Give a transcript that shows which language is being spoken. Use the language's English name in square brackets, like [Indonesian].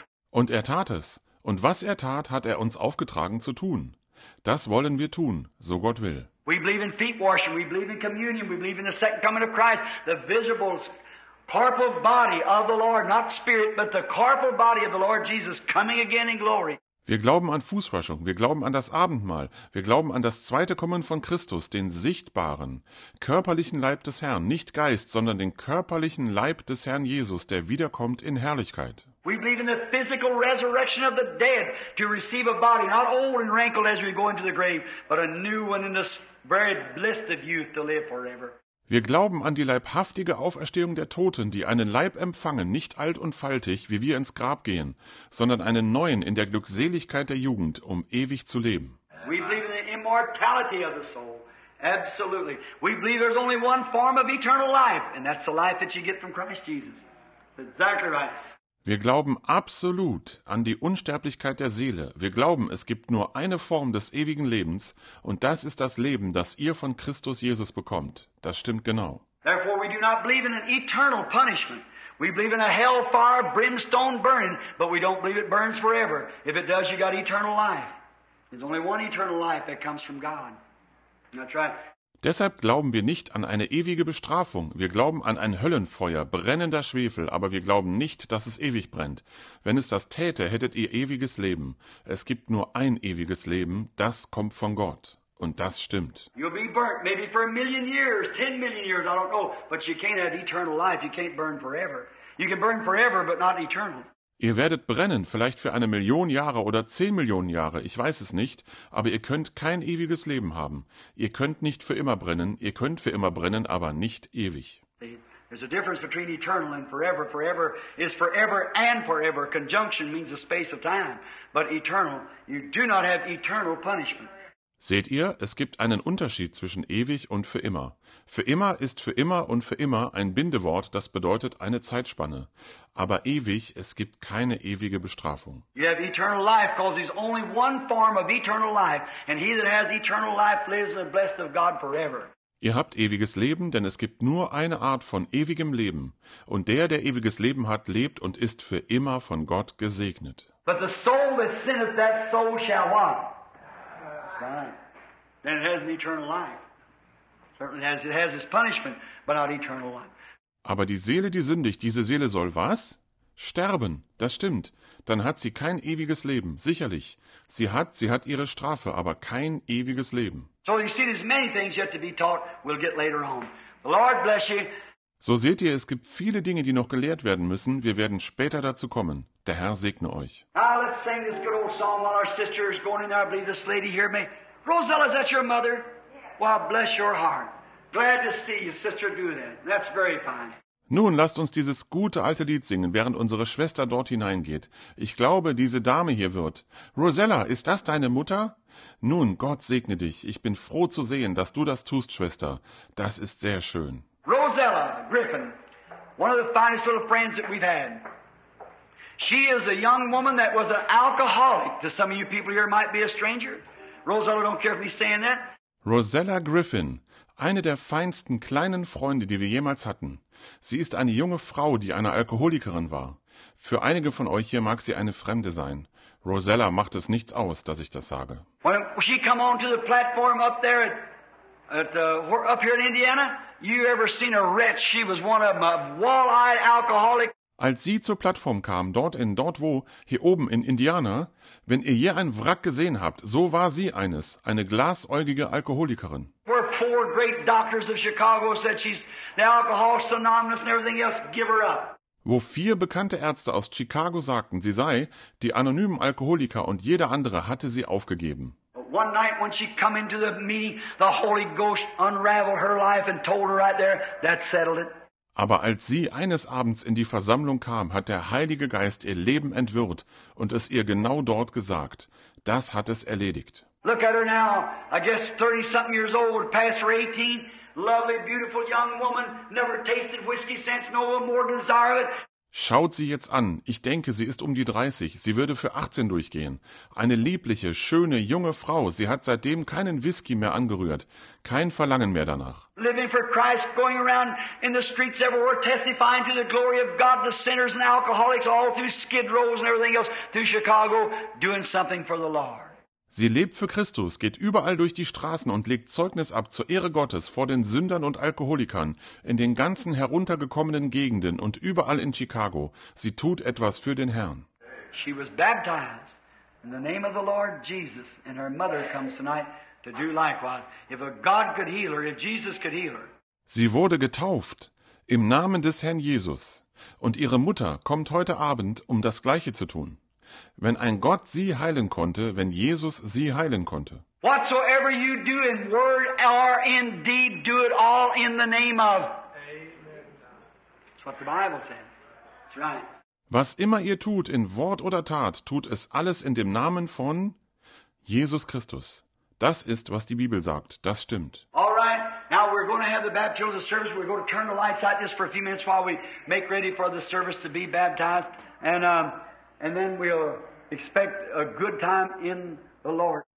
[German] Und er tat es. Und was er tat, hat er uns aufgetragen zu tun. Das wollen wir tun, so Gott will. [English] We believe in feet washing, we believe in communion, we believe in the second coming of Christ, the visible corporal body of the Lord, not spirit, but the corporal body of the Lord Jesus coming again in glory. [German] Wir glauben an Fußwaschung, wir glauben an das Abendmahl, wir glauben an das zweite Kommen von Christus, den sichtbaren, körperlichen Leib des Herrn, nicht Geist, sondern den körperlichen Leib des Herrn Jesus, der wiederkommt in Herrlichkeit. [English] We believe in the physical resurrection of the dead to receive a body, not old and wrinkled as we go into the grave, but a new one in the very bliss of youth to live forever. [German] Wir glauben an die leibhaftige Auferstehung der Toten, die einen Leib empfangen, nicht alt und faltig, wie wir ins Grab gehen, sondern einen neuen in der Glückseligkeit der Jugend, um ewig zu leben. [English] We believe in the immortality of the soul. Absolutely. We believe there's only one form of eternal life, and that's the life that you get from Christ Jesus. Exactly right. [German] Wir glauben absolut an die Unsterblichkeit der Seele. Wir glauben, es gibt nur eine Form des ewigen Lebens, und das ist das Leben, das ihr von Christus Jesus bekommt. Das stimmt genau. [English] Therefore we do not believe in an eternal punishment. We believe in a hellfire brimstone burning, but we don't believe it burns forever. If it does, you got eternal life. There's only one eternal life that comes from God. That's right. [German] Deshalb glauben wir nicht an eine ewige Bestrafung. Wir glauben an ein Höllenfeuer, brennender Schwefel, aber wir glauben nicht, dass es ewig brennt. Wenn es das täte, hättet ihr ewiges Leben. Es gibt nur ein ewiges Leben, das kommt von Gott. Und das stimmt. [English] You'll be burnt, maybe for a million years, 10 million years, I don't know. But you can't have eternal life, you can't burn forever. You can burn forever, but not eternal. [German] Ihr werdet brennen, vielleicht für 1 Million Jahre oder 10 Millionen Jahre, ich weiß es nicht, aber ihr könnt kein ewiges Leben haben. Ihr könnt nicht für immer brennen, ihr könnt für immer brennen, aber nicht ewig. [English] There's a difference between eternal and forever. Forever is forever and forever. Conjunction means a space of time. But eternal, you do not have eternal punishment. [German] Seht ihr, es gibt einen Unterschied zwischen ewig und für immer. Für immer ist für immer und für immer ein Bindewort, das bedeutet eine Zeitspanne. Aber ewig, es gibt keine ewige Bestrafung. [English] You have eternal life, because there's only one form of eternal life, and he that has eternal life lives in the blessed of God forever. [German] Ihr habt ewiges Leben, denn es gibt nur eine Art von ewigem Leben. Und der, der ewiges Leben hat, lebt und ist für immer von Gott gesegnet. [English] But the soul that sinneth, that soul shall what? Right. Then it has an eternal life. Certainly it has its punishment, but not eternal life. [German] Aber die Seele, die sündigt, diese Seele soll was? Sterben. Das stimmt. Dann hat sie kein ewiges Leben. Sicherlich. Sie hat ihre Strafe, aber kein ewiges Leben. [English] So you see, there's many things yet to be taught. We'll get later on. The Lord bless you. [German] So seht ihr, es gibt viele Dinge, die noch gelehrt werden müssen. Wir werden später dazu kommen. Der Herr segne euch. [English] Ah, let's sing this good old song while our sister is going in there. I believe this lady hear me. Rosella, is that your mother? Yes. Well, bless your heart. Glad to see you, sister, do that. That's very fine. [German] Nun, lasst uns dieses gute alte Lied singen, während unsere Schwester dort hineingeht. Ich glaube, diese Dame hier wird. Rosella, ist das deine Mutter? Nun, Gott segne dich. Ich bin froh zu sehen, dass du das tust, Schwester. Das ist sehr schön. [English] Rosella Griffin, one of the finest little friends that we've had. She is a young woman that was an alcoholic. To some of you people here, might be a stranger. Rosella, don't care if me saying that. [German] Rosella Griffin, Eine der feinsten kleinen Freunde, die wir jemals hatten. Sie ist eine junge Frau, die eine Alkoholikerin war. Für einige von euch hier mag sie eine Fremde sein. Rosella macht es nichts aus, dass ich das sage. [English] When she come on to the platform up there up here in Indiana, you ever seen a wretch? She was one of them, a wall-eyed alcoholic. [German] Als sie zur Plattform kam, hier oben in Indiana, wenn ihr je ein Wrack gesehen habt, so war sie eines, eine glasäugige Alkoholikerin. [English] Where four great doctors of Chicago said she's the alcohol synonymous and everything else, give her up. [German] Wo vier bekannte Ärzte aus Chicago sagten, sie sei die anonymen Alkoholiker und jeder andere hatte sie aufgegeben. [English] One night when she come into the meeting, the Holy Ghost unraveled her life and told her right there, that settled it. [German] Aber als sie eines Abends in die Versammlung kam, hat der Heilige Geist ihr Leben entwirrt und es ihr genau dort gesagt. Das hat es erledigt. [English] Look at her now, I guess 30-something years old, past her 18. Lovely, beautiful young woman, never tasted whiskey since, no one more desire it. [German] Schaut sie jetzt an. Ich denke, sie ist um die 30. Sie würde für 18 durchgehen. Eine liebliche, schöne, junge Frau. Sie hat seitdem keinen Whisky mehr angerührt. Kein Verlangen mehr danach. [English] Living for Christ, going around in the streets everywhere, testifying to the glory of God, the sinners and alcoholics, all through Skid Rows and everything else, through Chicago, doing something for the Lord. [German] Sie lebt für Christus, geht überall durch die Straßen und legt Zeugnis ab zur Ehre Gottes vor den Sündern und Alkoholikern in den ganzen heruntergekommenen Gegenden und überall in Chicago. Sie tut etwas für den Herrn. [English] She was baptized in the name of the Lord Jesus, and her mother comes tonight to do likewise. If a God could heal her, if Jesus could heal her. [German] Sie wurde getauft im Namen des Herrn Jesus und ihre Mutter kommt heute Abend, um das Gleiche zu tun. Wenn ein Gott sie heilen konnte, wenn Jesus sie heilen konnte. [English] Whatsoever you do in word or in deed, do it all in the name of. Amen. That's what the Bible says. That's right. [German] Was immer ihr tut in Wort oder Tat, tut es alles in dem Namen von Jesus Christus. Das ist, was die Bibel sagt. Das stimmt. [English] All right. Now we're going to have the baptism service. We're going to turn the lights out just for a few minutes while we make ready for the service to be baptized. And then we'll expect a good time in the Lord.